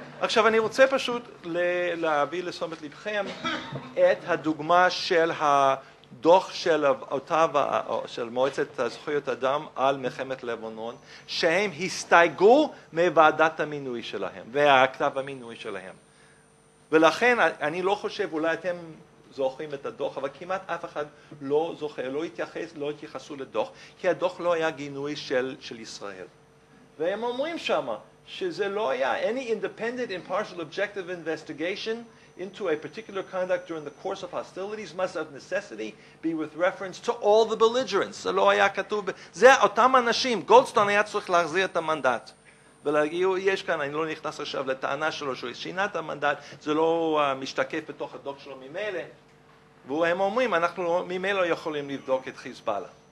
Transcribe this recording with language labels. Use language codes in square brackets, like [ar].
[he] עכשיו אני רוצה פשוט להביא לסומת לבכם את הדוגמה של הדוח של אותה, של מועצת זכויות אדם על מלחמת לבנון, שהם הסתייגו מוועדת המינוי שלהם, והכתב המינוי שלהם. ולכן אני לא חושב, אולי אתם זוכרים את הדוח, אבל כמעט אף אחד לא זוכר, לא התייחסו לדוח, כי הדוח לא היה גינוי של ישראל. והם אומרים שמה, שזה לא היה [en] any independent impartial objective investigation into a particular conduct during the course of hostilities must of necessity be with reference to all the belligerents. [he] זה לא היה כתוב, זה אותם אנשים, גולדסטון היה צריך להחזיר את המנדט. ולהגיד, יש כאן, אני לא נכנס עכשיו לטענה שלו, שהוא שינה את המנדט, זה לא משתקף בתוך הדוח שלו ממילא. והם אומרים, אנחנו ממילא יכולים לבדוק את חיזבאללה.